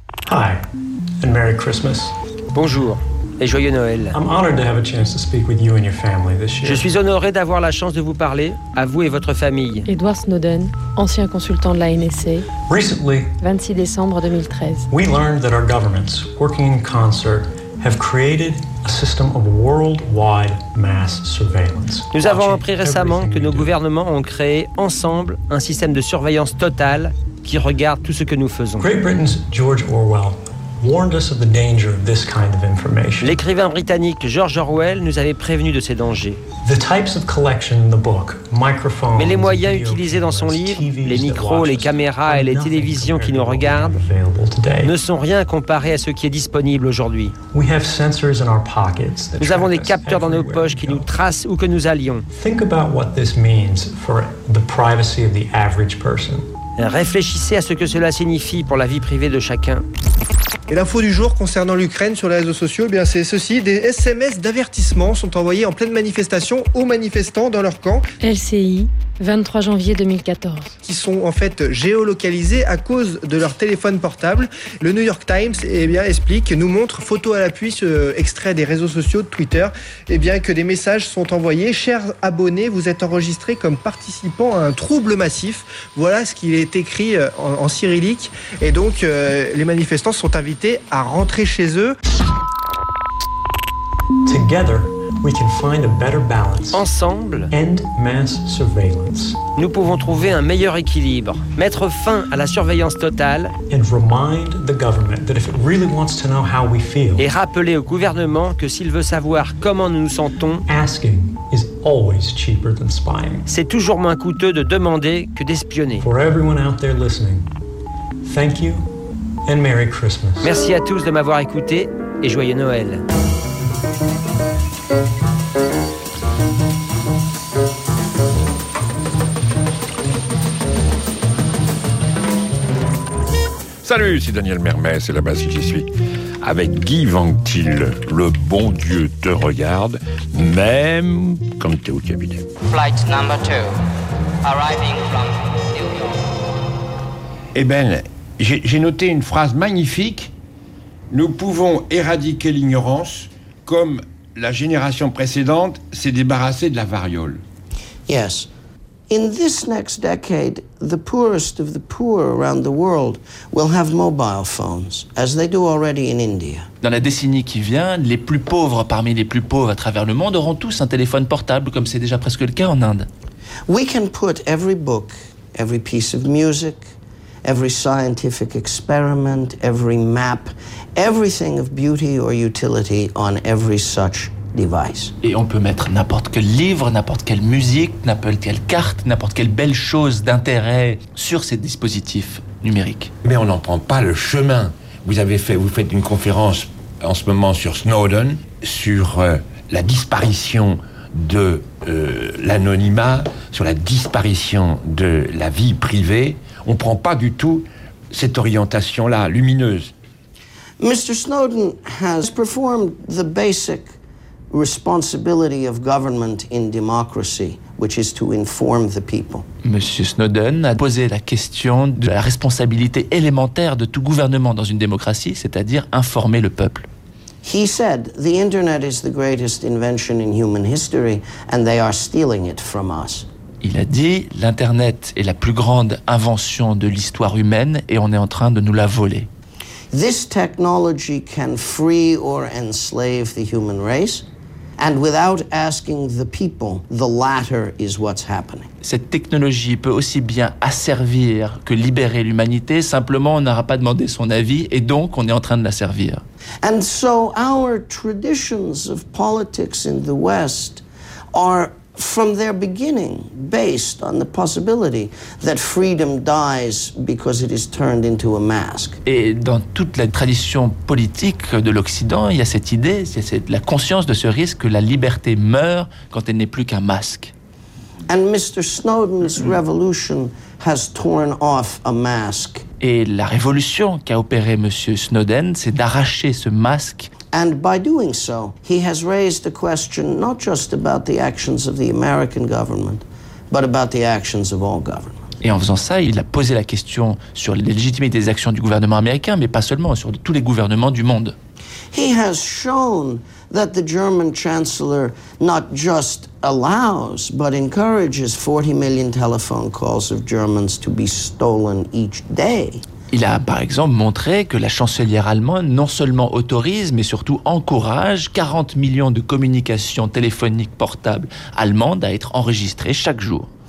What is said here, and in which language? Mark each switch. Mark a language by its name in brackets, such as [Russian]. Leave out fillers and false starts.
[English] Hi, and Merry Christmas. [French] Bonjour, et joyeux Noël. Je suis honoré d'avoir la chance de vous parler, à vous et votre famille. Edward Snowden, ancien consultant de la NSA, 26 décembre 2013. [English] We learned that our governments, working in concert, have created a system of worldwide mass surveillance. [French] Nous avons appris récemment que nos gouvernements ont créé ensemble un système de surveillance totale qui regarde tout ce que nous faisons. [English] Great Britain's George Orwell warned us of the danger of this kind of information. [French] L'écrivain britannique George Orwell nous avait prévenu de ces dangers. [English] The types of collection in the book, microphones, [French] mais les moyens utilisés dans son livre, les micros, les caméras et les télévisions qui nous regardent, ne sont rien comparés à ce qui est disponible aujourd'hui. [English] We have sensors in our pockets. [French] Nous avons des capteurs dans nos poches qui nous tracent où que nous allions. [English] Think about what this means for the privacy of the average person. [French] Réfléchissez à ce que cela signifie pour la vie privée de chacun. Et l'info du jour concernant l'Ukraine sur les réseaux sociaux, eh bien c'est ceci. Des SMS d'avertissement sont envoyés en pleine manifestation aux manifestants dans leur camp. LCI, 23 janvier 2014. Qui sont en fait géolocalisés à cause de leur téléphone portable. Le New York Times explique, nous montre, photo à l'appui, ce extrait des réseaux sociaux de Twitter, que des messages sont envoyés. Chers abonnés, vous êtes enregistrés comme participants à un trouble massif. Voilà ce qu'il est écrit en cyrillique. Et donc, les manifestants sont invités à rentrer chez eux. [English] Together, we can find a better balance. [French] Ensemble, [English] end mass surveillance. [French] Nous pouvons trouver un meilleur équilibre, mettre fin à la surveillance totale, [English] and remind the government that if it really wants to know how we feel, [French] et rappeler au gouvernement que s'il veut savoir comment nous nous sentons, [English] asking is always cheaper than spying. [French] C'est toujours moins coûteux de demander que d'espionner. [English] For everyone out there listening, thank you and Merry Christmas. [French] Merci à tous de m'avoir écouté et joyeux Noël. Salut, c'est Daniel Mermet, c'est là-bas si j'y suis. Avec Guy Vanctil, le bon Dieu te regarde, même quand t'es au cabinet. [English] Flight number 2, arriving from New York. [French] Eh bien, j'ai noté une phrase magnifique. Nous pouvons éradiquer l'ignorance comme la génération précédente s'est débarrassée de la variole. [English] Yes. In this next decade, the poorest of the poor around the world will have mobile phones, as they do already in India. [French] Dans la décennie qui vient, les plus pauvres parmi les plus pauvres à travers le monde auront tous un téléphone portable, comme c'est déjà presque le cas en Inde. [English] We can put every book, every piece of music, every scientific experiment, every map, everything of beauty or utility on every such device. [French] Et on peut mettre n'importe quel livre, n'importe quelle musique, n'importe quelle carte, n'importe quelle belle chose d'intérêt sur ces dispositifs numériques. Mais on n'en prend pas le chemin. Vous faites une conférence en ce moment sur Snowden, sur la disparition de l'anonymat, sur la disparition de la vie privée. On ne prend pas du tout cette orientation-là, lumineuse. [English] Mr. Snowden has performed the basic responsibility of government in democracy, which is to inform the people. [French] Monsieur Snowden a posé la question de la responsabilité élémentaire de tout gouvernement dans une démocratie, c'est-à-dire informer le peuple. [English] He said the internet is the greatest invention in human history and they are stealing it from us. [French] Il a dit l'internet est la plus grande invention de l'histoire humaine et on est en train de nous la voler. [English] This technology can free or enslave the human race, and without asking the people, the latter is what's happening. [French] Cette technologie peut aussi bien asservir que libérer l'humanité, simplement on n'aura pas demandé son avis et donc on est en train de la servir. [English] And so our traditions of politics in the West are from their beginning based on the possibility that freedom dies because it is turned into a mask. [French] Et dans toute la tradition politique de l'Occident, il y a cette idée, c'est la conscience de ce risque que la liberté meurt quand elle n'est plus qu'un masque. [English] And Mr. Snowden's revolution has torn off a mask. [French] Et la révolution qu'a opéré Monsieur Snowden, c'est d'arracher ce masque. [English] And by doing so, he has raised a question not just about the actions of the American government, but about the actions of all governments. [French] Et en faisant ça, il a posé la question sur la légitimité des actions du gouvernement américain, mais pas seulement, sur tous les gouvernements du monde. [English] He has shown that the German chancellor not just allows, but encourages 40 million telephone calls of Germans to be stolen each day. [French] Il a, par exemple, montré que la chancelière allemande non seulement autorise, mais surtout encourage 40 millions de communications téléphoniques portables allemandes à être enregistrées chaque jour.